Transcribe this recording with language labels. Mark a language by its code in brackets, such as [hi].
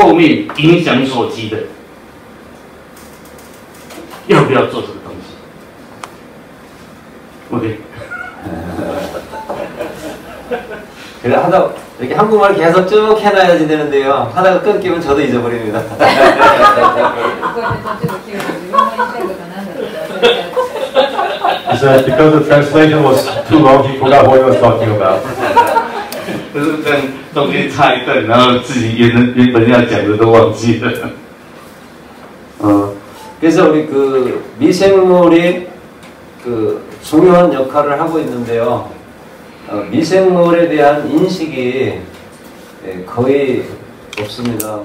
[zh] 所有的叶片，作物的叶片都是在形成光合作用。你现在给它，照上一层白色的东西，它没办法完全的光合作用，它没办法呼吸，那它会枯掉，它的味道会没有那么鲜美。所以，当你在想要说做这个制剂来防止虫咬之前，请你先想想后面影响所及的。要不要做这个东西？OK。 [ko] 그래 하다 이렇게 한국말 계속 쭉 해놔야지 되는데요. 하다가 끊기면 저도 잊어버립니다. 그래서 [en] because the translation was too long, he forgot what he was talking about. [zh] 就是跟中间差一段，然后自己原本要讲的都忘记了。 [ko] 그래서 우리 그 미생물이 그 중요한 역할을 하고 있는데요. 미생물에 대한 인식이 거의 없습니다.